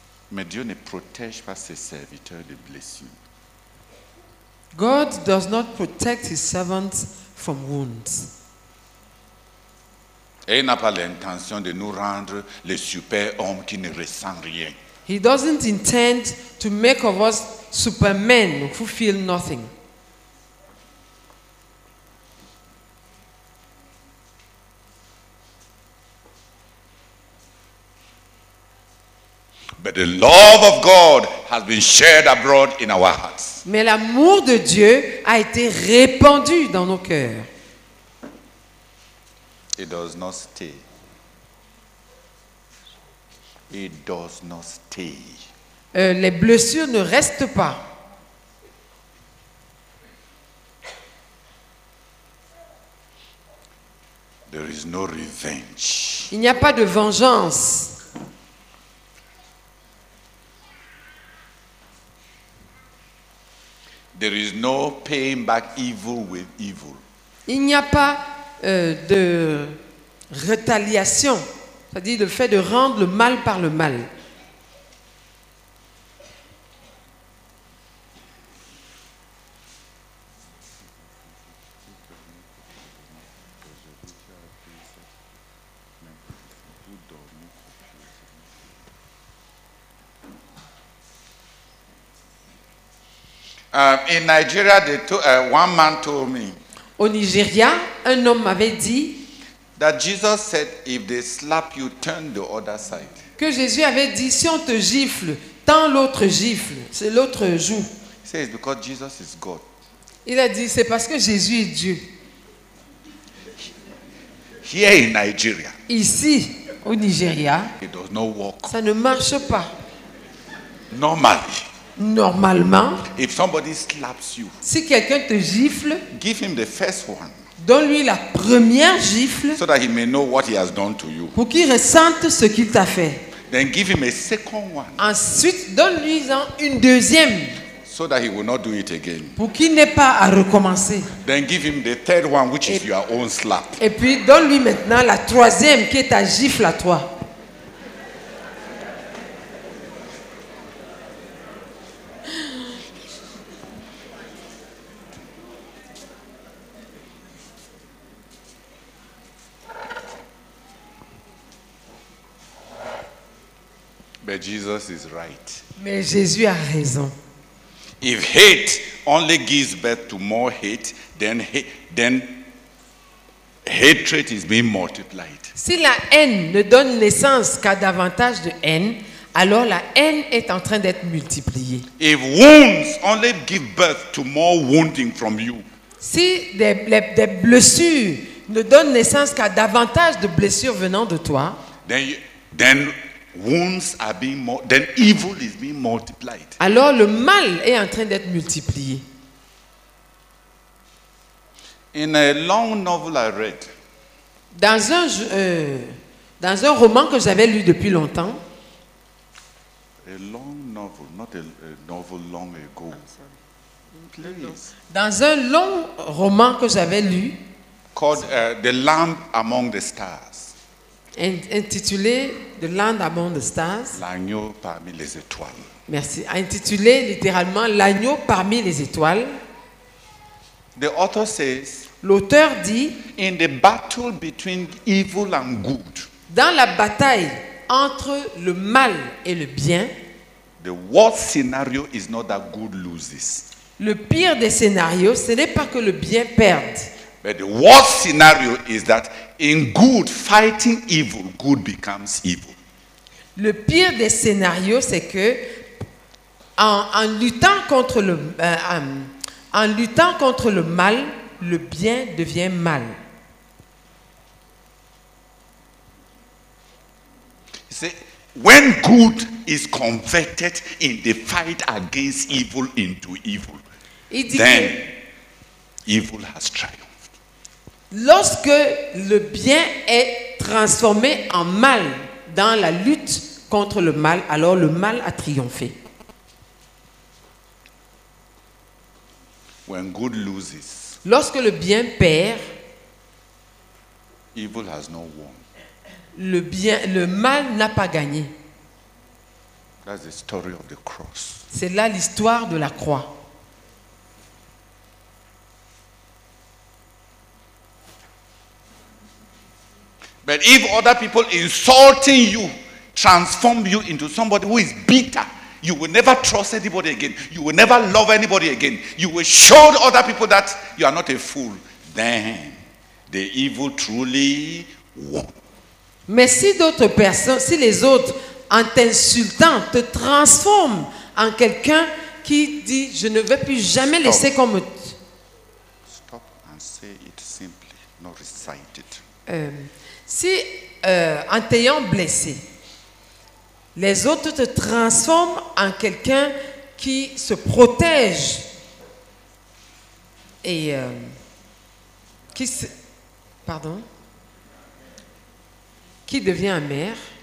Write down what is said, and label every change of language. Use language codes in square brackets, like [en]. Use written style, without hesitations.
[fr] Mais Dieu ne protège pas ses serviteurs de blessures. [en] God does not protect his servants from wounds. [fr] Et il n'a pas l'intention de nous rendre les super hommes qui ne ressent rien. [en] He doesn't intend to make of us supermen who feel nothing. But the love of God has been shared abroad in our hearts. [fr] Mais l'amour de Dieu a été répandu dans nos cœurs. [en] It does not stay. It does not stay. [fr] Les blessures ne restent pas. [en] There is no revenge. [fr] Il n'y a pas de vengeance. [en] There is no paying back evil with evil. [fr] Il n'y a pas de rétaliation, c'est-à-dire le fait de rendre le mal par le mal. [en] In Nigeria, they told, one man told me. [fr] Au Nigeria, un homme m'avait dit. [en] That Jesus said, if they slap you, turn the other side. [fr] Que Jésus avait dit, si on te gifle, tends l'autre gifle, c'est l'autre joue. [en] He said, it's because Jesus is God. [fr] Il a dit, c'est parce que Jésus est Dieu. [en] Here in Nigeria. [fr] Ici, au Nigeria. [en] It does not work. [fr] Ça ne marche pas. [en] Normally. [fr] Normalement, [en] if somebody slaps you, [fr] si quelqu'un te gifle, [en] give him the first one, [fr] donne-lui la première gifle, [en] so that he may know what he has done to you, [fr] pour qu'il ressente ce qu'il t'a fait. [en] Then give him a second one, [fr] ensuite donne-lui une deuxième, [en] so that he will not do it again, [fr] pour qu'il n'ait pas à recommencer. [en] Then give him the third one, which is your own slap. [fr] Et puis donne-lui maintenant la troisième, qui est ta gifle à toi. [en] But Jesus is right. [fr] Mais Jésus a raison. [en] If hate only gives birth to more hate, then hatred is being multiplied. [fr] Si la haine ne donne naissance qu'à davantage de haine, alors la haine est en train d'être multipliée. [en] If wounds only give birth to more wounding from you. [fr] Si des blessures ne donnent naissance qu'à davantage de blessures venant de toi, [en] then wounds are being more, then evil is being multiplied. [fr] Alors le mal est en train d'être multiplié. [en] In a long novel I read, [fr] dans un roman que j'avais lu depuis longtemps, [en] a long novel, not a novel long ago. [fr] Dans un long roman que j'avais lu, [en] called The Lamb Among the Stars. [fr] Intitulé The Land Among the Stars. L'agneau parmi les étoiles. Merci. Intitulé littéralement L'agneau parmi les étoiles. [en] The author says, [fr] l'auteur dit, [en] in the battle between evil and good, [fr] dans la bataille entre le mal et le bien, [en] the worst scenario is not that good loses. [fr] Le pire des scénarios, ce n'est pas que le bien perde. [en] But the worst scenario is that in good fighting evil, good becomes evil. [fr] Le pire des scénarios, c'est que en luttant contre le mal, le bien devient mal. [en] See, when good is converted in the fight against evil into evil, then evil has triumphed. [fr] Lorsque le bien est transformé en mal dans la lutte contre le mal, alors le mal a triomphé. [en] When good loses, [fr] lorsque le bien perd, [en] evil has not won. [fr] Le mal n'a pas gagné. [en] That's the story of the cross. [fr] C'est là l'histoire de la croix. [en] But if other people insulting you transform you into somebody who is bitter, you will never trust anybody again. You will never love anybody again. You will show other people that you are not a fool. Then the evil truly won. [fr] Mais si d'autres personnes, si les autres en t'insultant te transforment en quelqu'un qui dit je ne vais plus jamais [en] stop. [fr] Laisser qu'on me [en] stop and say it simply, not recite it. [fr] Si en t'ayant blessé, les autres te transforment en quelqu'un qui se protège qui devient amer.